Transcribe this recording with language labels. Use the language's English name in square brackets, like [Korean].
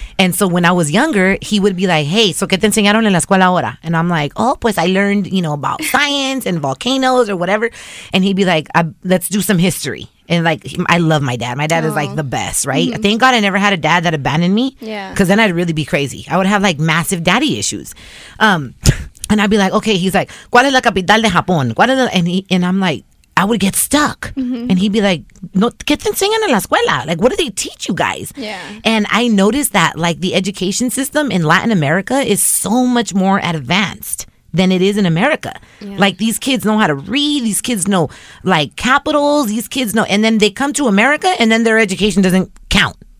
[English] And so when I was younger, he would be like, hey, so [Spanish] ¿qué te enseñaron en la escuela ahora? [English] And I'm like, oh, pues I learned, you know, about science and volcanoes or whatever. And he'd be like, let's do some history. And like, I love my dad. My dad is like the best, right? Mm-hmm. Thank God I never had a dad that abandoned me. Yeah. Because then I'd really be crazy. I would have like massive daddy issues. And I'd be like, okay, he's like, [Spanish] ¿cuál es la capital de Japón? ¿Cuál es la? [English] And I'm like, I would get stuck. Mm-hmm. And he'd be like, no, [Spanish] ¿qué te enseñan en la escuela? [English] Like, what do they teach you guys? Yeah. And I noticed that like the education system in Latin America is so much more advanced than it is in America. Yeah. Like, these kids know how to read. These kids know, like, capitals. These kids know. And then they come to America, and then their education doesn't count.